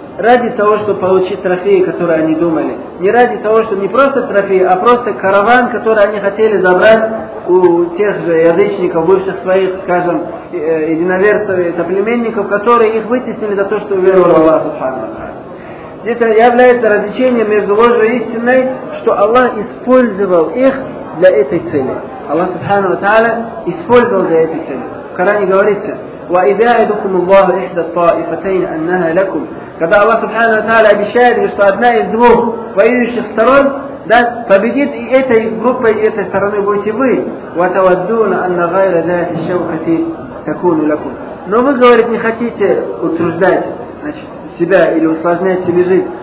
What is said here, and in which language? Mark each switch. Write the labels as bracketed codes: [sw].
[ru] ради того, чтобы получить трофеи, которые они думали. Не ради того, что не просто трофеи, а просто караван, который они хотели забрать у тех же язычников, бывших своих, скажем, единоверцев и соплеменников, которые их вытеснили за то, что уверовали в Аллах Субхану. Здесь является различение между ложью и истиной, что Аллах использовал их для этой цели. Аллах Субхану ва Тааля использовал для этой цели. В Коране говорится: [ar] وَإِذَا يَعِدُكُمُ اللَّهُ إِحْدَى الطَّائِفَتَيْنِ أَنَّهَا لَكُمْ. [ru] Когда Аллах Субхану ва Тааля обещает, что одна из двух воюющих сторон, да, победит, и этой группой, и этой стороной будете вы. [ar] وَتَوَدُّونَ أَنَّ غَيْرَ ذَاتِ الشَّوْكَةِ تَكُونُ لَكُمْ. [ru] Но вы, говорит, не хотите утруждать, значит, себя или усложнять себе жизнь.